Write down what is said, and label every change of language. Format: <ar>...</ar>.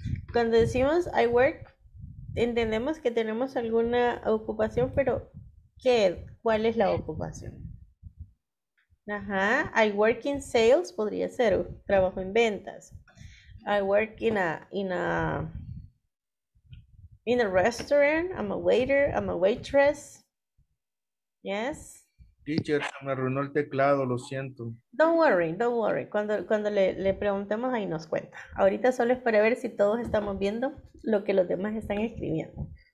<es>Cuando decimos</es> <en>I work,</en> <es>entendemos que tenemos alguna ocupación, pero ¿qué? ¿Cuál es la ocupación? Ajá,</es> <en>I work in sales,</en> <es>podría ser, trabajo en ventas.</es> <en>I work in a restaurant, I'm a waiter, I'm a waitress. Yes,</en> <es>Teacher, se me arruinó el teclado, lo siento.</es> <en>Don't worry, don't worry.</en> <es>Cuando le preguntemos, ahí nos cuenta. Ahorita solo es para ver si todos estamos viendo lo que los demás están escribiendo.</es>